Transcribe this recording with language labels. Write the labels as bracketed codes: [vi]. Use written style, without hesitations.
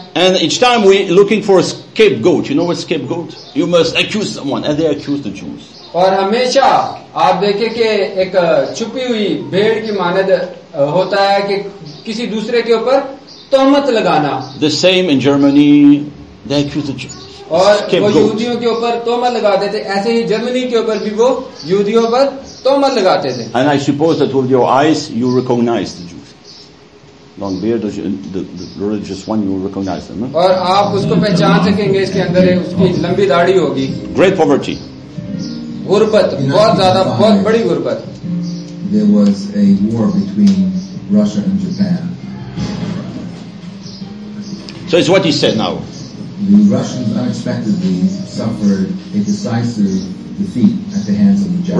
[en] And each time we looking for a scapegoat, you know what scapegoat? You must accuse someone, and they accuse the Jews. [hi] और हमेशा आप देखें कि एक छुपी हुई भेड़ की मानद होता है कि किसी दूसरे के ऊपर. [en] The same in Germany, they accused the Jews. [hi] और वो यहूदियों के ऊपर तोहमत लगाते थे, ऐसे ही जर्मनी के ऊपर भी वो यहूदियों पर तोहमत लगाते थे. [en] And I suppose that with your eyes you recognize the Jews. Long beard, the religious one, you recognize them. [hi] और आप उसको पहचान सकेंगे, इसके अंदर उसकी लंबी दाढ़ी होगी. [en] Great poverty. [hi] गुर्बत, बहुत ज्यादा, बहुत बड़ी गुर्बत. [en] There was a war between Russia and Japan. So it's what he said now. The Russians unexpectedly suffered a decisive defeat at the hands of the Japanese.